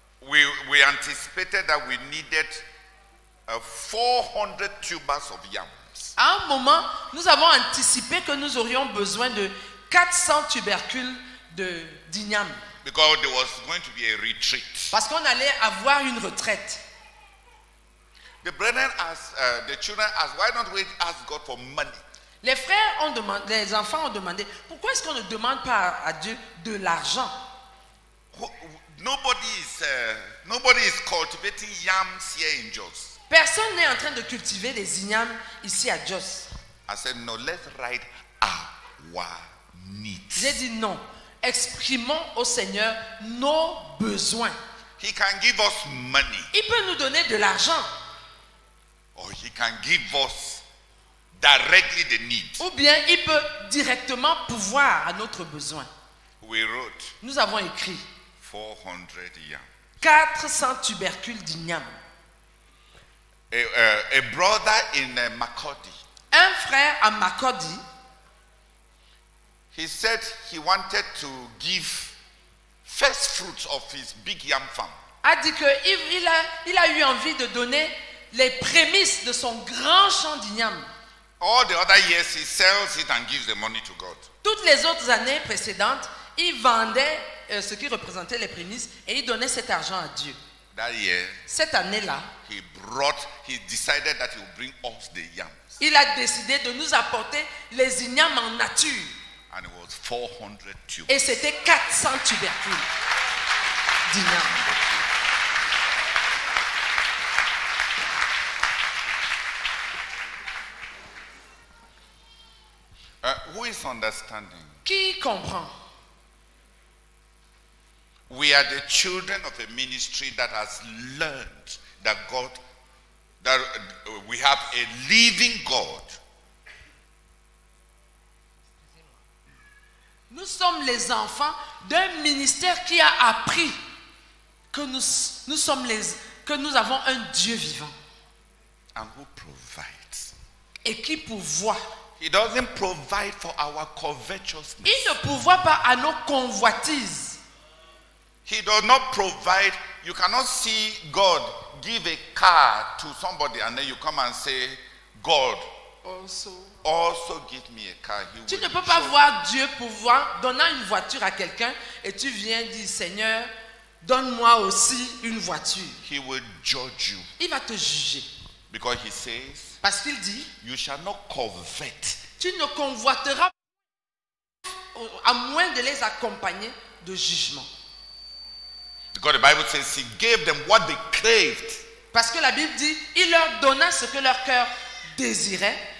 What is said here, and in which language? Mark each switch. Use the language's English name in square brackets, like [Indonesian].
[English] We anticipated that we needed 400 tubas of yams. [French] À un moment, nous avons anticipé que nous aurions besoin de 400 tubercules de d'igname. [English] Because there was going to be a retreat. [French] Parce qu'on allait avoir une retraite. [English] The brethren asked, the children asked, why don't we ask God for money? [French] Les frères ont demandé, les enfants ont demandé, pourquoi est-ce qu'on ne demande pas à Dieu de l'argent? [English] Nobody is cultivating yams here in Jos. [French] Personne n'est en train de cultiver des ignames ici à Jos. [English] I said no, let's write our needs. [French] J'ai dit non, exprimons au Seigneur nos besoins. [English] He can give us money. [French] Il peut nous donner de l'argent. [English] Or he can give us directly the needs. [French] Ou bien il peut directement pourvoir à notre besoin. [English] We wrote. [French] Nous avons écrit. [English] 400 yams. [French] 400 tubercules d'igname. [English] A brother in Makurdi. [French] Un frère à Makurdi. [English] He said he wanted to give first fruits of his big yam farm. [French] A dit que il a eu envie de donner les prémices de son grand champ d'igname. [English] All the other years he sells it and gives the money to God. [French] Toutes les autres années précédentes, il vendait ce qui représentait les prémices et il donnait cet argent à Dieu. [English] That year, [French] cette année-là, [English] he decided that he would bring us the yams. [French] Il a décidé de nous apporter les ignames en nature. [English] And it was 400 tubes. [French] Et c'était 400 tubercules d'ignames. [English] Who is understanding? [French] Qui comprend? [English] We are the children of a ministry that has learned that God, that we have a living God. [French] Nous sommes les enfants d'un ministère qui a appris que nous sommes les que nous avons un Dieu vivant. [English] And who provides? [French] Et qui pourvoit? [English] He doesn't provide for our covetousness. [French] Il ne pourvoit pas à nos convoitises. [English] He does not provide. You cannot see God give a car to somebody and then you come and say, God, also give me a car. [French] He tu ne peux pas voir Dieu pouvoir donner une voiture à quelqu'un et tu viens dire, Seigneur, donne-moi aussi une voiture. [English] He will judge you. [French] Il va te juger. [English] Because he says, [French] parce qu'il dit, [English] you shall not covet. [French] Tu ne convoiteras à moins de les accompagner de jugement. [English] Because the Bible says he gave them what they craved. [French] Parce que la Bible dit, il leur donna ce que leur cœur désirait.